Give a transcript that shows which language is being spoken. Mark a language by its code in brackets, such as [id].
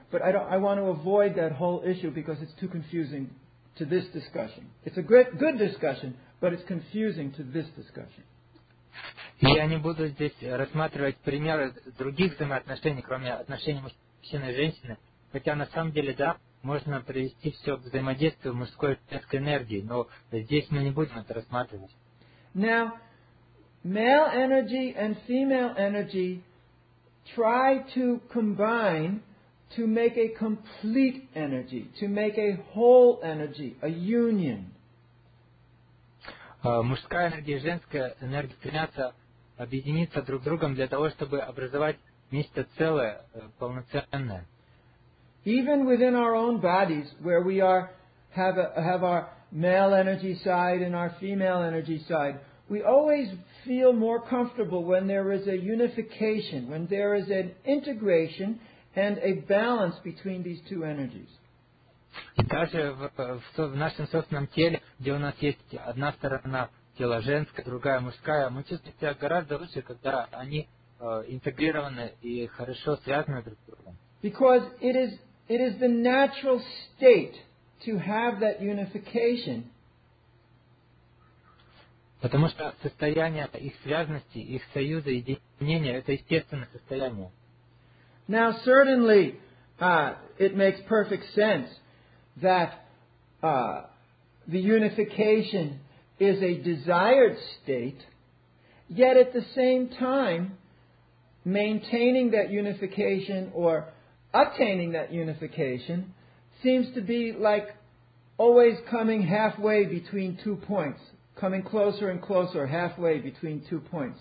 [en] But I want to avoid that whole issue because it's too confusing to this discussion. It's a great, good discussion, but it's confusing to this discussion. [ru] Я не буду здесь рассматривать примеры других взаимоотношений, кроме отношений мужчины и женщины, хотя на самом деле, да, можно привести все к взаимодействию мужской и женской энергии, но здесь мы не будем это рассматривать. [en] Now, male energy and female energy try to combine to make a complete energy, to make a whole energy, a union. [ru] мужская энергия и женская энергия стремятся объединиться друг с другом для того, чтобы образовать нечто целое, полноценное. [en] Even within our own bodies, where we are, have our male energy side and our female energy side, we always feel more comfortable when there is a unification, when there is an integration and a balance between these two energies. [ru] И даже в нашем собственном теле, где у нас есть одна сторона тела женская, другая мужская, мы чувствуем себя гораздо лучше, когда они интегрированы и хорошо связаны друг с другом. [en] Because it is the natural state to have that unification. [ru] Потому что состояние их связанности, их союза, единения – это естественное состояние. [en] Now, certainly, it makes perfect sense that the unification is a desired state, yet at the same time, maintaining that unification or obtaining that unification seems to be like always coming halfway between two points, coming closer and closer, halfway between two points.